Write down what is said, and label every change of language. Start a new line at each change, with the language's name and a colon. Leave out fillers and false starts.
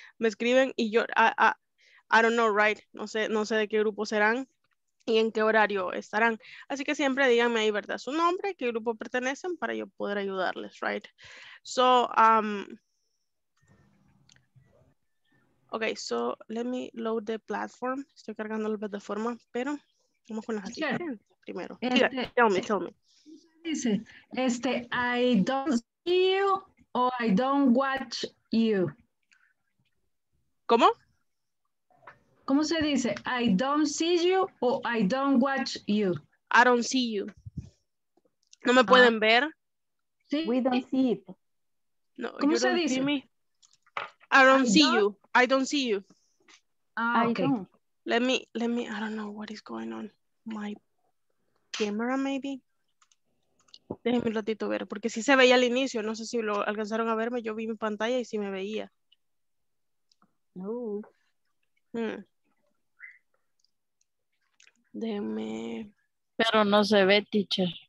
Spanish: Me escriben y yo,
English: I don't know, right?
Spanish: No sé de qué grupo serán y en qué horario estarán. Así que siempre díganme ahí, ¿verdad? Su nombre, qué grupo pertenecen para yo poder ayudarles, right?
English: So, okay, so let me load the platform.
Spanish: Estoy cargando la plataforma, pero vamos con las sí. Primero. Este,
English: tell me.
Spanish: Dice, este,
English: I don't see you. Oh, I don't watch you.
Spanish: ¿Cómo? ¿Cómo se dice?
English: I don't see you o I don't watch you. I don't see you.
Spanish: ¿No me pueden ver?
English: Sí. We don't see it.
Spanish: No, ¿cómo se dice?
English: See me. I don't see you. Ah, okay. Let me, I don't know what is going on. My camera maybe.
Spanish: Déjenme un ratito ver, porque sí se veía al inicio. No sé si lo alcanzaron a verme. Yo vi mi pantalla y sí me veía. No. Déjenme. Pero no se ve, teacher.